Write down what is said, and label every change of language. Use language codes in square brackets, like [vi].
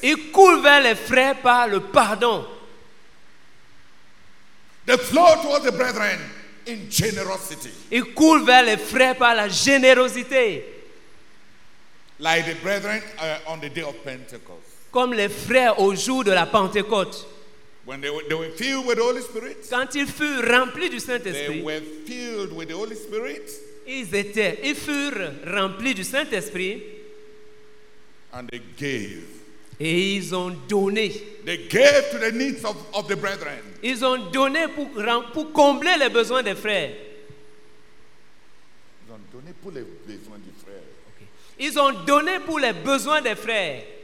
[fr] Ils coulent vers les frères par le pardon. [en] They flow towards the brethren in generosity. [fr] Ils coulent vers les frères par la générosité. [en] Like the brethren on the day of Pentecost. [fr] Comme les frères au jour de la Pentecôte. [en] When they were filled with the Holy Spirit, [fr] quand ils furent remplis du Saint-Esprit, [en] they were filled with the Holy Spirit, [fr] ils furent remplis du Saint-Esprit, [en] and they gave. [fr] Et ils ont donné. [en] They gave to the needs of the brethren. [fr] Ils ont donné pour combler les besoins des frères. Ils ont donné pour les besoins des frères. [en] Okay. [fr] Ils ont donné pour les besoins des frères.